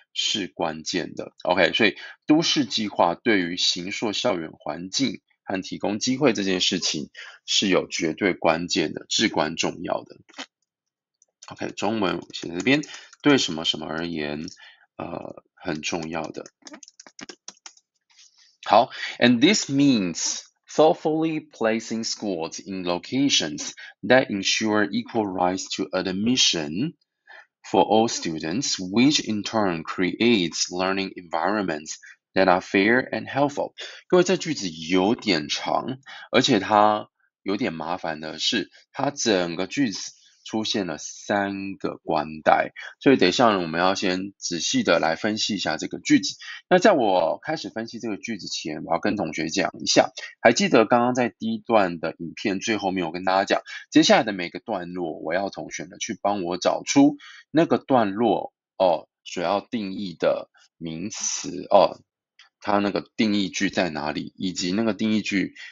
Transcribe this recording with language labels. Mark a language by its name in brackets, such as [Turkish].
[Chinese] 是关键的，OK，所以都市计划对于形塑校园环境和提供机会这件事情是有绝对关键的，至关重要的。 OK，中文写在这边，对什么什么而言，很重要的。 [English] 好，and this means thoughtfully placing schools in locations that ensure equal rights to admission。 For all students, which in turn creates learning environments that are fair and helpful。 [Chinese] 各位，这句子有点长，而且它有点麻烦的是，它整个句子出现了三个关带，所以等一下我们要先仔细的来分析一下这个句子。那在我开始分析这个句子前，我要跟同学讲一下，还记得刚刚在第一段的影片最后面，我跟大家讲，接下来的每个段落，我要同学呢去帮我找出那个段落哦，所要定义的名词哦，它那个定义句在哪里，以及那个定义句。